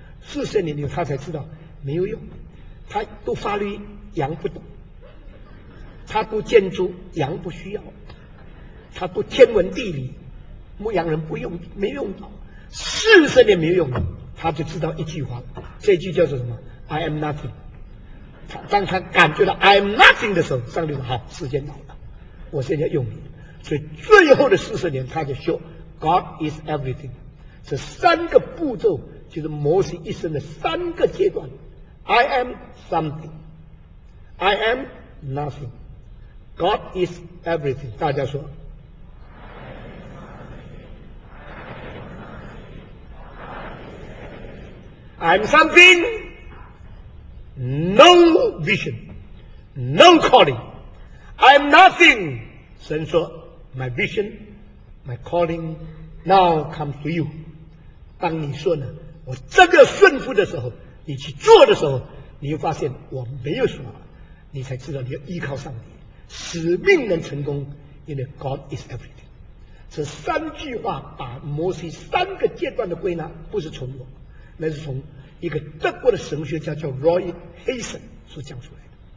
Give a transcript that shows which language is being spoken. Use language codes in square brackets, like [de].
[zh] 40年以后他才知道没有用，他读法律羊不懂，他读建筑羊不需要，他读天文地理牧羊人不用，没用到。 40年没有用，他就知道一句话，这句叫做什么？ [en] I am nothing。 [zh] 当他感觉到 [en] I am nothing [zh] 的时候，上帝说好，时间到了，我现在用你。所以最后的40年他就说 [en] God is everything。 [zh] 这三个步骤就是摩西一生的三个阶段， [en] I am something, I am nothing, God is everything。 [zh] 大家说 [en] I'm something, no vision, no calling. I'm nothing. [zh] 神说 [en] my vision, my calling now comes to you. [zh] 当你说呢，我这个顺服的时候，你去做的时候，你会发现我没有什么，你才知道你要依靠上帝。使命能成功，因为 [en] God is everything. [zh] 这三句话把摩西三个阶段的归纳，不是从我，那是从一个德国的神学家叫 Roy Hazen 所讲出来的。